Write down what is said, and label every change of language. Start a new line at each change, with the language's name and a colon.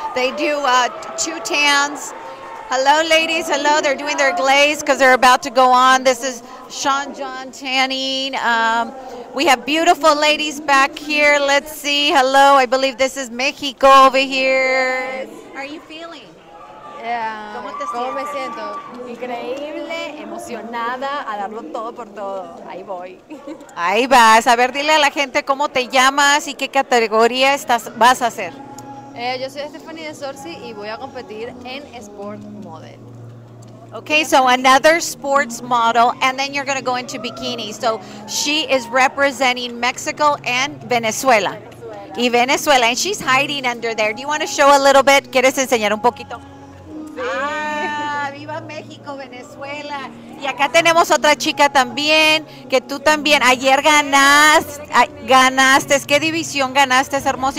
English: They do two tans. Hello, ladies. Hello. They're doing their glaze because they're about to go on. This is Sean John tanning. We have beautiful ladies back here. Let's see. Hello. I believe this is Mexico over here. How are you feeling?
Spanish: ¿Cómo me siento? Increíble, emocionada, a darlo todo por todo. Ahí voy. Ahí vas. A ver, dile a la gente cómo te llamas y qué categoría vas a hacer. Yo soy Stephanie de Sorsi y voy a competir en Sport Model.
English: Okay, so another sports model, and then you're going to go into bikini. So she is representing Mexico and Venezuela. Venezuela.
Spanish: Y Venezuela,
English: and she's hiding under there. Do you want to show a little bit?
Spanish: ¿Quieres enseñar un poquito? Ah, viva México, Venezuela. Y acá tenemos otra chica también, que tú también. Ayer ganaste. ¿Qué división ganaste, hermosa?